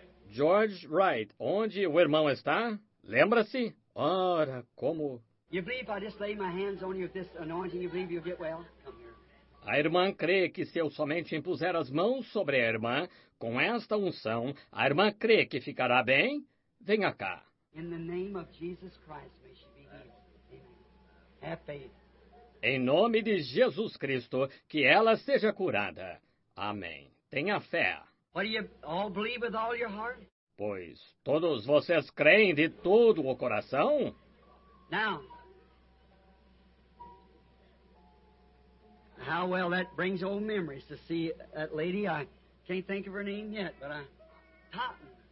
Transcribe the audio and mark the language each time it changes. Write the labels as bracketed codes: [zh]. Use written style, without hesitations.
[pt] George Wright, onde o irmão está? Lembra-se? Ora, como... [en] You believe I just lay my hands on you with this anointing, you believe you'll get well? [pt] A irmã crê que se eu somente impuser as mãos sobre a irmã, com esta unção, a irmã crê que ficará bem? Venha cá. [en] In the name of Jesus Christ, may she be healed. Amen. Have faith. [pt] Em nome de Jesus Cristo, que ela seja curada. Amém. Tenha fé. [en] What do you all believe with all your heart? [pt] Pois, todos vocês creem de todo o coração? [en] Now. How well that brings old memories to see that lady. I can't think of her name yet, but I... Totten.